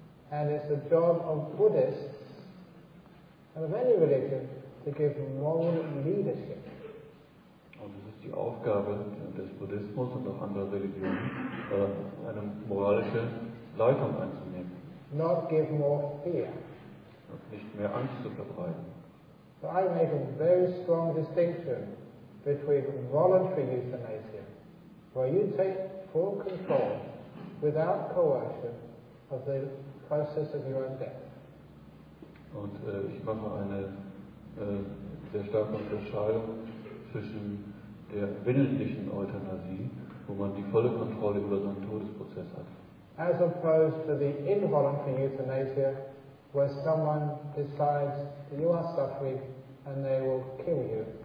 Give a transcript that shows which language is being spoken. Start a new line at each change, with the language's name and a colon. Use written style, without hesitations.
English: And it's the job of Buddhists and of any religion to give moral leadership.
German: Und es ist die Aufgabe des Buddhismus und auch anderer Religionen, eine moralische Leitung einzunehmen.
English: Not give more fear.
German: Und nicht mehr Angst zu verbreiten.
English: So I make a very strong distinction between voluntary euthanasia, where you take full control without coercion of the process of your own death.
German: Und ich mache eine sehr starke Unterscheidung zwischen der willentlichen Euthanasie, wo man die volle Kontrolle über seinen Todesprozess hat.
English: As opposed to the involuntary euthanasia, where someone decides that you are suffering and they will kill you.